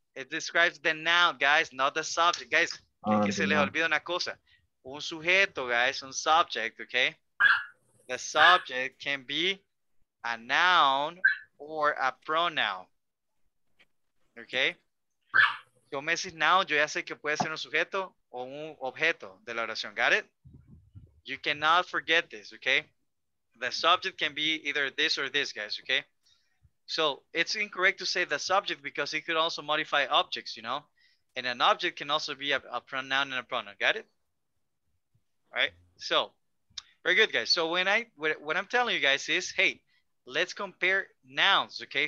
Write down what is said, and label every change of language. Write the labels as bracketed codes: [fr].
[en] It describes the noun, guys, not the subject. Guys, [es] que se les olvida una cosa. Un sujeto, [en] guys, un subject, okay? The subject can be a noun or a pronoun, okay? [es] Si me dices noun, yo ya sé que puede ser un sujeto o un objeto de la oración. [en] Got it? You cannot forget this, okay? The subject can be either this or this, guys, okay? So it's incorrect to say the subject because it could also modify objects, you know? And an object can also be a pronoun and a pronoun. Got it? All right? So very good, guys. So what I'm telling you guys is, hey, let's compare nouns, okay?